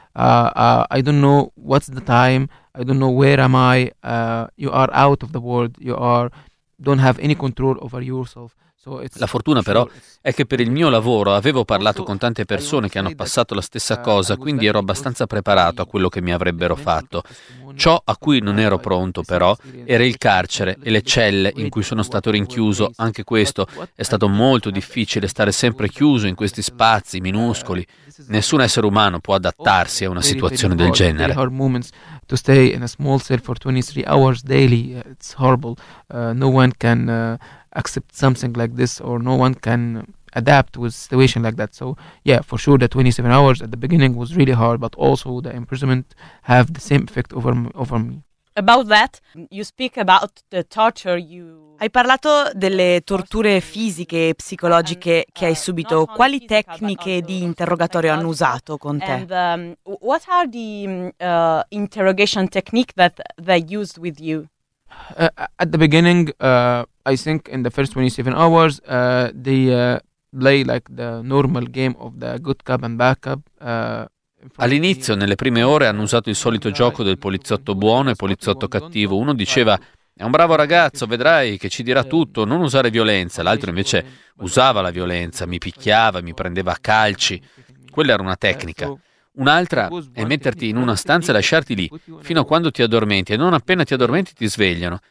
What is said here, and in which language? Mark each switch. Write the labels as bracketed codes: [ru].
[en] I don't know what's the time. I don't know where am I. You are out of the world. You are don't have any control over yourself. [it] La fortuna però è che per il mio lavoro avevo parlato con tante persone che hanno passato la stessa cosa, quindi ero abbastanza preparato a quello che mi avrebbero fatto. Ciò a cui non ero pronto però era il carcere e le celle in cui sono stato rinchiuso. Anche questo è stato molto difficile, stare sempre chiuso in questi spazi minuscoli. Nessun essere umano può adattarsi a una situazione del genere. [en] To stay in a small cell for 23 hours daily, it's horrible. No one can accept something like this, or no one can adapt with a situation like that. So, yeah, for sure, the 27 hours at the beginning was really hard, but also the imprisonment have the same effect over me. About that, you speak about the torture you. [it] Hai parlato delle torture fisiche e psicologiche che hai subito. Quali tecniche di interrogatorio hanno usato con te? [en] What are the interrogation technique that they used with you? At the beginning, I think in the first 27 hours, they play like the normal game of the good cop and bad cop. [it] All'inizio, nelle prime ore, hanno usato il solito gioco del poliziotto buono e poliziotto cattivo. Uno diceva: è un bravo ragazzo, vedrai che ci dirà tutto, non usare violenza. L'altro invece usava la violenza, mi picchiava, mi prendeva a calci. Quella era una tecnica. Un'altra è metterti in una stanza e lasciarti lì fino a quando ti addormenti, e non appena ti addormenti ti svegliano.